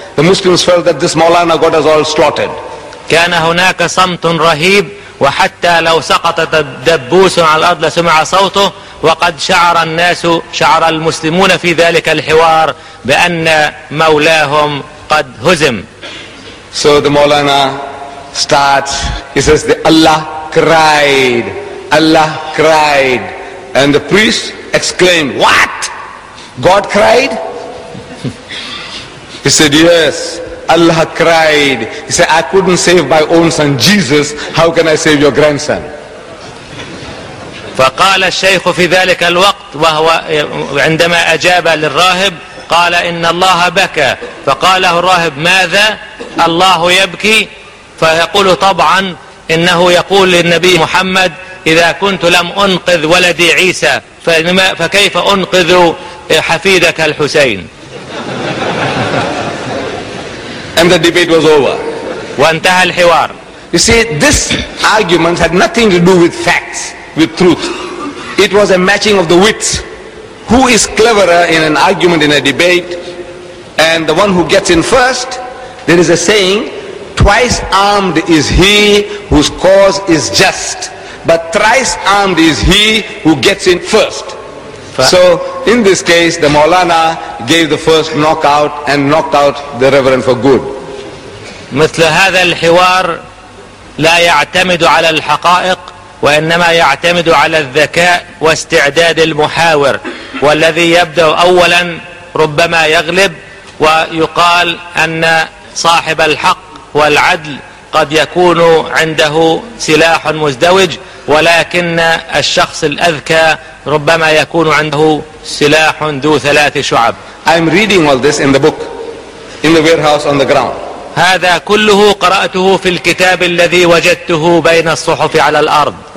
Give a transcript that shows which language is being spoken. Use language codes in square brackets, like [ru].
[en] The Muslims felt that this Maulana got us all slaughtered. [ar] كان هناك صمت رهيب وحتى لو سقط دبوس على الأرض لسمع صوته وقد شعر الناس شعر المسلمون في ذلك الحوار بأن مولاهم قد هزم. [en] So the Maulana starts. He says, "The Allah cried, Allah cried," and the priest exclaimed, "What? God cried?" He said, "Yes, Allah cried." He said, "I couldn't save my own son Jesus. How can I save your grandson?" [ar] فقال الشيخ في ذلك الوقت وهو عندما أجاب للراهب قال إن الله بكى فقاله الراهب ماذا الله يبكي فيقول طبعا إنه يقول للنبي محمد إذا كنت لم أنقذ ولدي عيسى فكيف أنقذ حفيدك الحسين. [en] And the debate was over. [ar] وانتهى الحوار. [en] You see, this argument had nothing to do with facts, with truth. It was a matching of the wits. Who is cleverer in an argument, in a debate? And the one who gets in first, there is a saying, twice armed is he whose cause is just, but thrice armed is he who gets in first. So in this case, the Maulana gave the first knockout and knocked out the reverend for good. [ar] مثل هذا الحوار لا يعتمد على الحقائق وإنما يعتمد على الذكاء واستعداد المحاور والذي يبدأ أولا ربما يغلب ويقال أن صاحب الحق والعدل قد يكون عنده سلاح مزدوج ولكن الشخص الأذكى ربما يكون عنده سلاح ذو ثلاث شعب. [en] I'm reading all this in the book, in the warehouse on the ground. [ar] هذا كله قرأته في الكتاب الذي وجدته بين الصحف على الأرض.